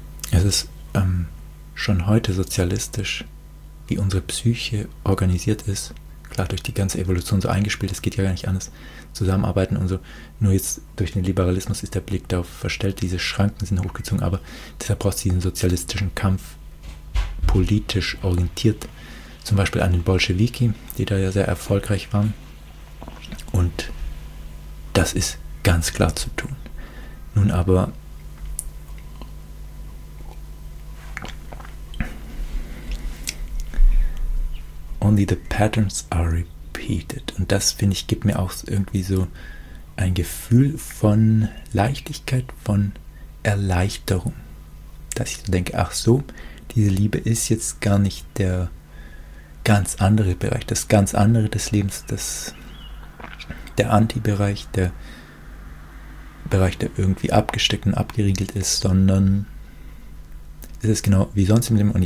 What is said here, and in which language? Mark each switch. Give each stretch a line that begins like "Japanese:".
German: Es ist schon heute sozialistisch, wie unsere Psyche organisiert ist, klar durch die ganze Evolution so eingespielt, es geht ja gar nicht anders, zusammenarbeiten und so, nur jetzt durch den Liberalismus ist der Blick darauf verstellt, diese Schranken sind hochgezogen, aber deshalb brauchst du diesen sozialistischen Kampf politisch orientiert, zum Beispiel an den Bolschewiki, die da ja sehr erfolgreich waren. Und das ist ganz klar zu tun.
English: Nun aber, only the patterns are repeated.
German: Und das, finde ich, gibt mir auch irgendwie so ein Gefühl von Leichtigkeit, von Erleichterung. Dass ich denke, ach so, diese Liebe ist jetzt gar nicht der ganz andere Bereich, das ganz andere des Lebens, das der Anti-Bereich, der Bereich, der irgendwie abgesteckt und abgeriegelt ist, sondern es ist genau wie sonst im Leben.